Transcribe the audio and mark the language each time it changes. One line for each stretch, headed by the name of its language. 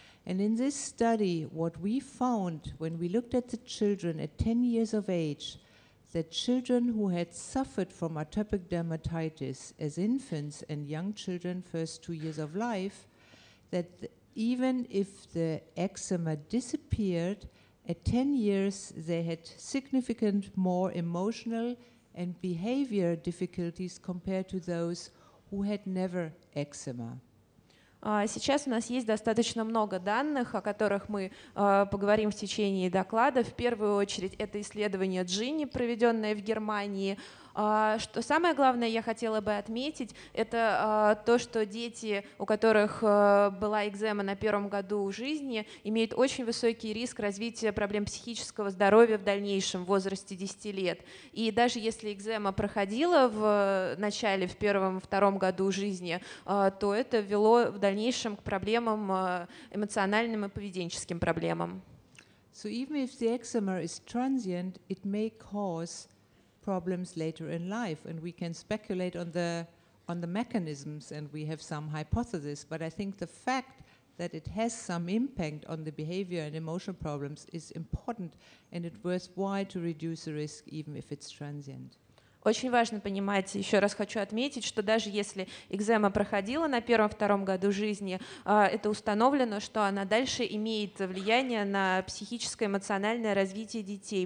English: And in this study, what we found when we looked at the children at 10 years of age, that children who had suffered from atopic dermatitis as infants and young children, first 2 years of life, that even if the eczema disappeared, at 10 years they had significant more emotional and behavior difficulties compared to those who had never eczema.
Russian: Сейчас у нас есть достаточно много данных, о которых мы поговорим в течение доклада. В первую очередь это исследование GINI, проведенное в Германии. Что самое главное я хотела бы отметить, это то, что дети, у которых была экзема на первом году жизни, имеют очень высокий риск развития проблем психического здоровья в дальнейшем, в возрасте 10 лет. И даже если экзема проходила в начале, в первом-втором году жизни, то это вело в дальнейшем к проблемам эмоциональным и поведенческим проблемам.
English: So even if the eczema is transient, it may cause problems later in life, and we can speculate on the mechanisms, and we have some hypotheses. But I think the fact that it has some impact on the behavior and emotional problems is important, and it's worthwhile to reduce the risk, even if it's transient.
Russian: Очень важно понимать, еще раз хочу отметить, что даже если экзема проходила на первом-втором году жизни, это установлено, что она дальше имеет влияние на психическое и эмоциональное развитие детей.